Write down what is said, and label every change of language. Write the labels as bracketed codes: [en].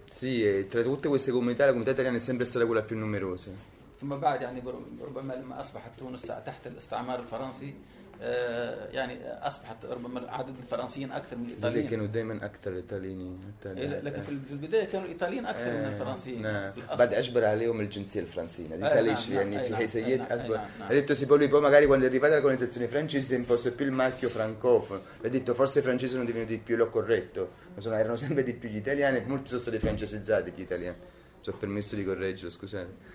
[it] Sì, tra tutte queste comunità la comunità italiana è sempre stata quella più numerosa. [ar] ثم بعد يعني ربما لما أصبحت تونس تحت الاستعمار الفرنسي يعني أصبحت ربما عدد الفرنسيين أكثر من الإيطاليين. لكنوا دائما أكثر الإيطاليين. لكن في البداية كانوا الإيطاليين أكثر من الفرنسيين. بعد أجبر عليهم الجنسية الفرنسية. الإيطاليش يعني في حيثيات أجبر. [it] ha detto si poi poi magari quando è arrivata la colonizzazione francese imposto più il marchio francofono. ha detto forse i francesi sono divenuti più lo corretto. Erano sempre di più gli italiani, molti sono stati francesizzati gli italiani. Ci ho permesso di correggere, scusate.